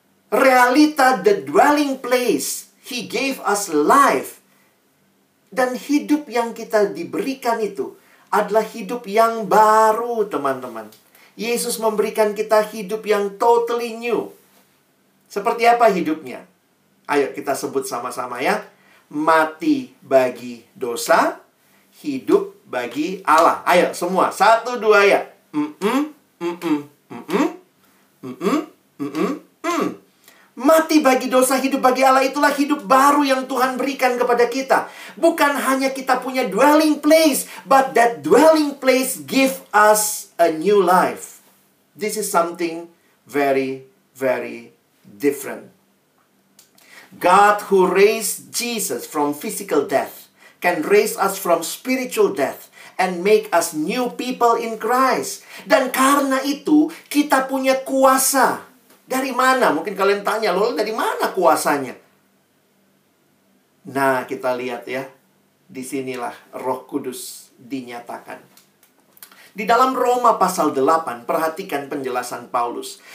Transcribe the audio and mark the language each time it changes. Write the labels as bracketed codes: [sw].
[en] Realita the dwelling place, he gave us life. [id] Dan hidup yang kita diberikan itu adalah hidup yang baru, teman-teman. Yesus memberikan kita hidup yang [en] totally new. [id] Seperti apa hidupnya? Ayo kita sebut sama-sama ya. Mati bagi dosa, hidup bagi Allah. Ayo semua, 1, 2 ya. Mati bagi dosa, hidup bagi Allah, itulah hidup baru yang Tuhan berikan kepada kita. Bukan hanya kita punya [en] dwelling place, but that dwelling place give us a new life. This is something very, very different. God who raised Jesus from physical death can raise us from spiritual death and make us new people in Christ. [id] Dan karena itu, kita punya kuasa. Dari mana? Mungkin kalian tanya, lo dari mana kuasanya? Nah, kita lihat ya. Disinilah Roh Kudus dinyatakan. Di dalam Roma pasal 8, perhatikan penjelasan Paulus.